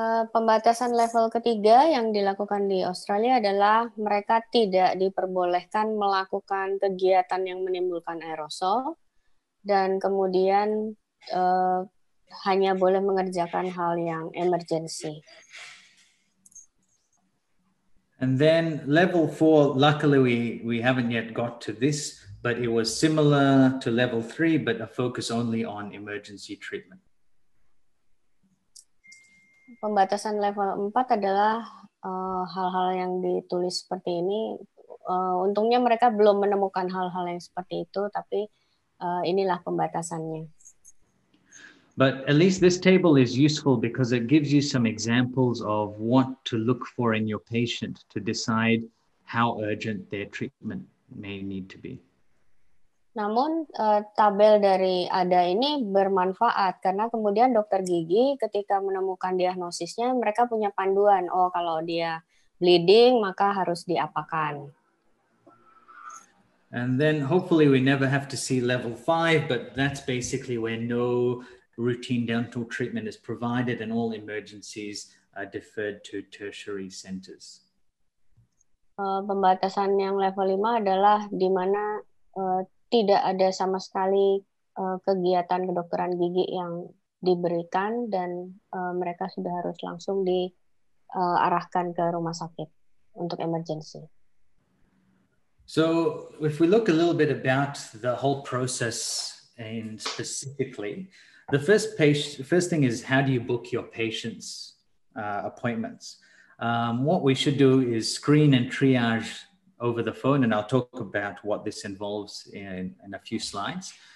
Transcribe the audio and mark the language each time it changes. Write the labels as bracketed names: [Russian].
[Indonesian] Pembatasan level ketiga yang dilakukan di Australia adalah mereka tidak diperbolehkan melakukan kegiatan yang menimbulkan aerosol, dan kemudian hanya boleh mengerjakan hal yang emergency. [English] And then level 4, luckily we haven't yet got to this, but it was similar to level 3, but a focus only on emergency treatment. [Indonesian] Pembatasan level 4 adalah hal-hal yang ditulis seperti ini. Untungnya mereka belum menemukan hal-hal yang seperti itu, tapi inilah pembatasannya. [English] But at least this table is useful because it gives you some examples of what to look for in your patient to decide how urgent their treatment may need to be. [Indonesian] Namun tabel dari ADA ini bermanfaat karena kemudian dokter gigi ketika menemukan diagnosisnya mereka punya panduan, oh kalau dia bleeding maka harus diapakan. [English] And then hopefully we never have to see level 5, but that's basically where no routine dental treatment is provided and all emergencies are deferred to tertiary centers. [Indonesian] Pembatasan yang level 5 adalah di mana tidak ada sama sekali kegiatan kedokteran gigi yang diberikan dan mereka sudah harus langsung diarahkan ke rumah sakit untuk emergency. [English] So, if we look a little bit about the whole process in specifically, the first thing is how do you book your patients' appointments? What we should do is screen and triage over the phone, and I'll talk about what this involves in a few slides.